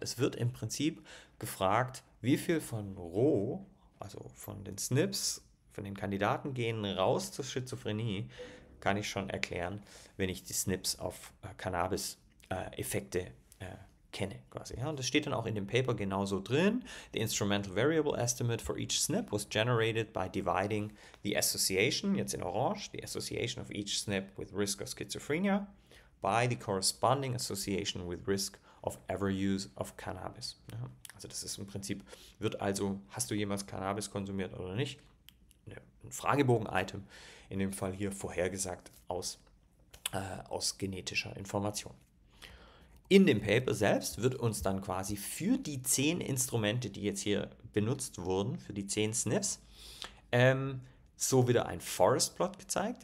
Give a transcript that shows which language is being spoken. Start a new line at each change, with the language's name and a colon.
German: Es wird im Prinzip gefragt, wie viel von Rho, also von den SNPs, von den Kandidatengenen raus zur Schizophrenie, kann ich schon erklären, wenn ich die SNPs auf Cannabis-Effekte kenne quasi. Ja, und das steht dann auch in dem Paper genauso drin.
English: The Instrumental Variable Estimate for each SNP was generated by dividing the association,
German: jetzt in Orange,
English: the association of each SNP with risk of schizophrenia by the corresponding association with risk of overuse of cannabis.
German: Ja, also das ist im Prinzip, wird also, hast du jemals Cannabis konsumiert oder nicht? Ein Fragebogen-Item, in dem Fall hier vorhergesagt aus genetischer Information. In dem Paper selbst wird uns dann quasi für die 10 Instrumente, die jetzt hier benutzt wurden, für die 10 SNPs, so wieder ein Forest-Plot gezeigt.